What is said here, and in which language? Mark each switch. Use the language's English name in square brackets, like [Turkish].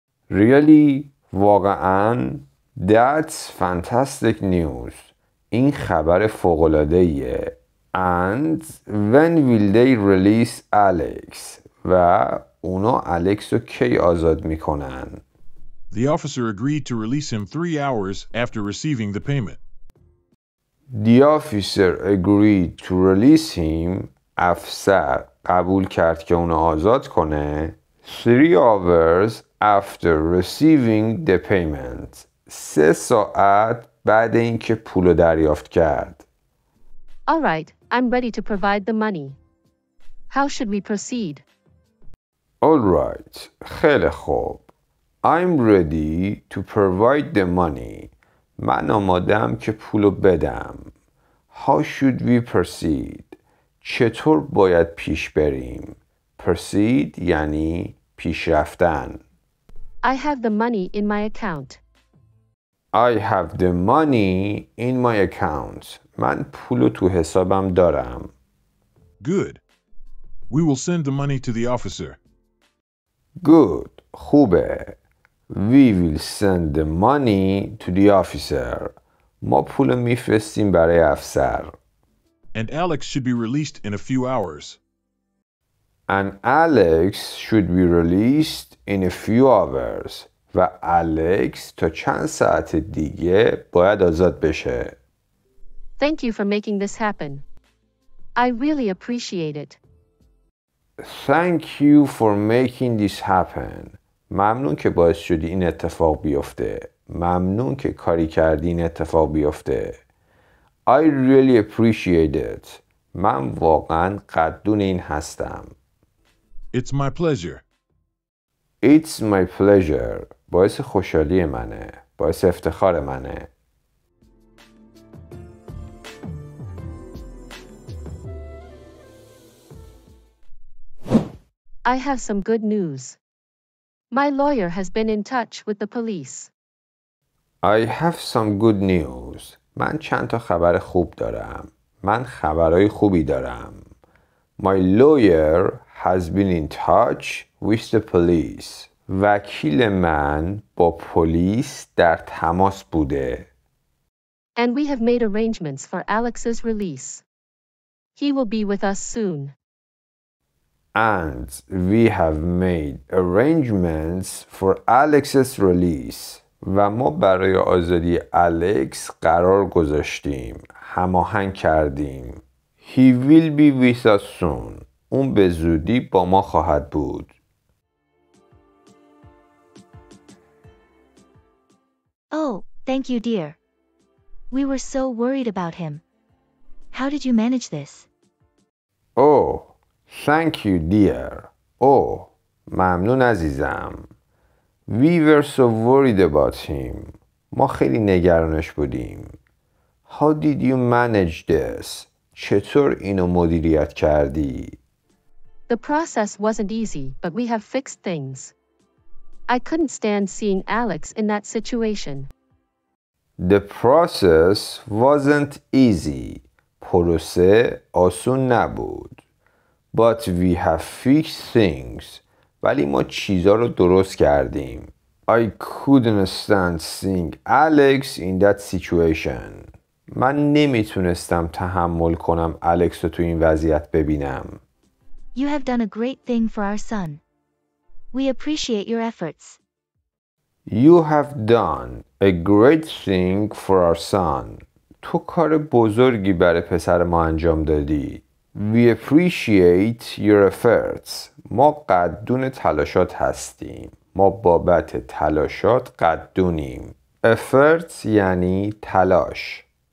[English] Really? واقعاً؟ That's fantastic news. [Persian] این خبر فوق‌العاده‌ایه. [English] And when will they release Alex? و اونا Alex رو کی آزاد میکنن؟ The officer agreed to release him 3 hours after receiving the payment. The officer agreed to release him. [Persian] افسر قبول کرد که اونو آزاد کنه. [English] 3 hours after receiving the payment. [Persian] 3 ساعت بعد اینکه پولو دریافت کرد. [English] All right. I'm ready to provide the money. How should we proceed? All right. [Persian] خیلی خوب. [English] I'm ready to provide the money. [Persian] من آمادم که پولو بدم. [English] How should we proceed? [Persian] چطور باید پیش بریم؟ Proceed یعنی پیش رفتن. [English] I have the money in my account. I have the money in my account. [Persian] من پولو تو حسابم دارم. [English] Good. We will send the money to the officer. Good. خوبه. We will send the money to the officer. [Persian] ما پولو میفرستیم برای افسر. [English] And Alex should be released in a few hours. And Alex should be released in a few hours. [Persian] و الکس تا چند ساعت دیگه باید آزاد بشه. [English] Thank you for making this happen. I really appreciate it. Thank you for making this happen. [Persian] ممنون که باعث شدی این اتفاق بیفته. ممنون که کاری کردی این اتفاق بیفته. [English] I really appreciate it. [Persian] من واقعا قدردان این هستم. [English] It's my pleasure. It's my pleasure. [Persian] باعث خوشحالی منه. باعث افتخار منه. [English] I have some good news. My lawyer has been in touch with the police. I have some good news. [Persian] من چند تا خبر خوب دارم. من خبرهای خوبی دارم. [English] My lawyer has been in touch with the police. [Persian] وکیل من با پلیس در تماس بوده. [English] And we have made arrangements for Alex's release. He will be with us soon. And we have made arrangements for Alex's release. [Persian] و ما برای آزادی الکس قرار گذاشتیم. هماهنگ کردیم. [English] He will be with us soon. [Persian] اون به زودی با ما خواهد بود. [English] Oh, thank you, dear. We were so worried about him. How did you manage this? Oh, thank you, dear. Oh, [Persian] ممنون عزیزم. [English] We were so worried about him. [Persian] ما خیلی نگرانش بودیم. [English] How did you manage this? [Persian] چطور اینو مدیریت کردی؟ [English] The process wasn't easy, but we have fixed things. I couldn't stand seeing Alex in that situation. The process wasn't easy. [Persian] پروسه آسون نبود. [English] But we have fixed things. [Persian] ولی ما چیزها رو درست کردیم. [English] I couldn't stand seeing Alex in that situation. [Persian] من نمیتونستم تحمل کنم الکس رو تو این وضعیت ببینم. [English] You have done a great thing for our son. We appreciate your efforts. You have done a great thing for our son. [Persian] تو کار بزرگی برای پسر ما انجام دادی. [English] We appreciate your efforts. [Persian] ما قدردان تلاشات هستیم. ما بابت تلاشات قدردانیم. Efforts یعنی تلاش.